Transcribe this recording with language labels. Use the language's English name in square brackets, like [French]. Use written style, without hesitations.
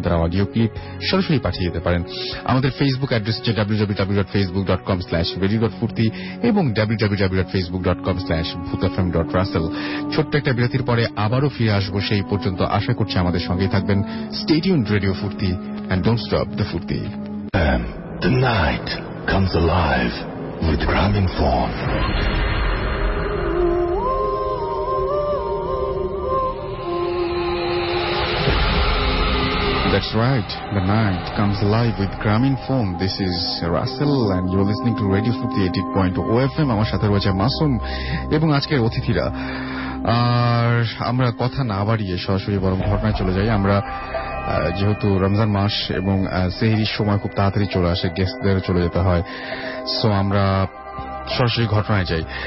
[Bangla] চাচ্ছেন তারা audio clip সরাসরি পাঠিয়ে দিতে পারেন। আমাদের ফেসবুক অ্যাড্রেস হচ্ছে www.facebook.com/radio.phurti এবং www.facebook.com/bhutafm.russell। ছোট্ট একটা বিরতির পরে আবারও ফিরে আসবো, সেই পর্যন্ত আশা করছি আমাদের সঙ্গেই থাকবেন। [English] Stay tuned radio Furti and don't stop the Furti. The night comes alive with Gramophone. That's right, the night comes alive with Gramophone. This is Russell and you're listening to Radio 58.0 FM. [Bangla] আমার সাথে রয়েছে মাসুম এবং আজকের অতিথিরা। আর আমরা কথা না বাড়িয়ে সরাসরি বরং ঘটনায় চলে যাই। আমরা যেহেতু রমজান মাস এবং সেহরির সময় খুব তাড়াতাড়ি চলে আসে, গেস্টদের চলে যেতে হয়, সো আমরা সরাসরি ঘটনায় যাই।